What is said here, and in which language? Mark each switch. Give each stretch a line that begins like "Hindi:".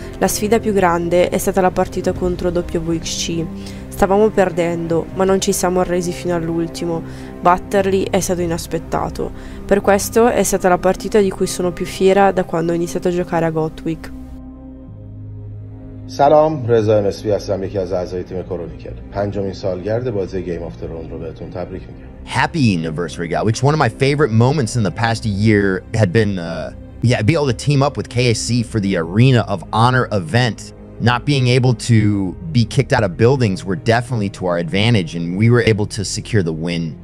Italian: La sfida più grande è stata la partita contro WXC. Stavamo perdendo, ma non ci siamo arresi fino all'ultimo. Batterli è stato inaspettato. Per questo è stata la partita di cui sono più fiera da quando ho iniziato a giocare a Gotwick.
Persian: سلام، رضا نسوی هستم، یکی از اعضای تیم کرونیکل. پنجمین سالگرد بازی گیم آف ترون رو بهتون تبریک میگم.
English: Happy anniversary, guys. Which one of my favorite moments in the past year had been be able to team up with KSC for the Arena of Honor event. Not being able to be kicked out of buildings were definitely to our advantage, and we were able to secure the win.